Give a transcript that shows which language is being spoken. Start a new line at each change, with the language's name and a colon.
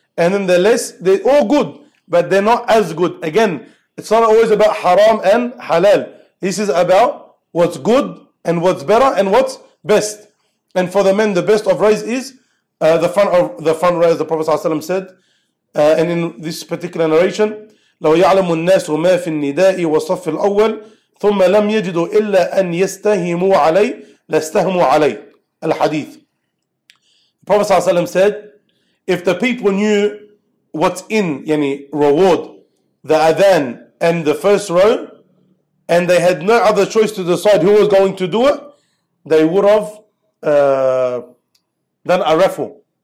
English: And then the less, they're all good, but they're not as good. Again, it's not always about haram and halal. This is about what's good and what's better and what's best. And for the men, the best of rows is the front row, as the Prophet ﷺ said. And in this particular narration,
Arabic: لَوْ يَعْلَمُ النَّاسُ مَا فِي النِّدَاءِ وَصَفِّ الْأَوَّلِ ثُمَّ لَمْ يَجِدُوا إِلَّا أَنْ يَسْتَهِمُوا عَلَيْهِ لَاسْتَهِمُوا عَلَيْهِ الْحَدِيثِ.
English: Prophet ﷺ said, if the people knew what's in reward, the adhan and the first row, and they had no other choice to decide who was going to do it, they would have done a raffle.